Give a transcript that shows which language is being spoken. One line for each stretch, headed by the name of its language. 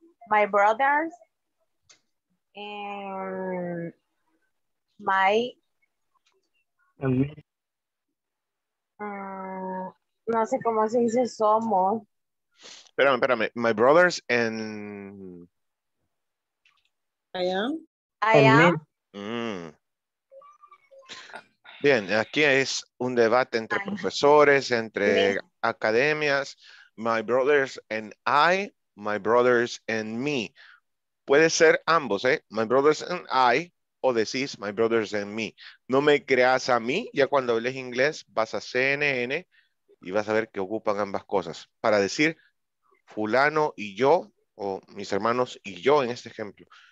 English: My brothers and my
Spanish: no sé cómo se dice somos. Espérame, espérame.
English: My brothers and I am.
Spanish: Bien, aquí es un debate entre profesores, entre academias.
English: My brothers and I, my brothers and me.
Spanish: Puede ser ambos, ¿eh?
English: My brothers and I,
Spanish: o decís
English: my brothers and me.
Spanish: No me creas a mí, ya cuando hables inglés vas a CNN y vas a ver que ocupan ambas cosas. Para decir fulano y yo, o mis hermanos y yo en este ejemplo.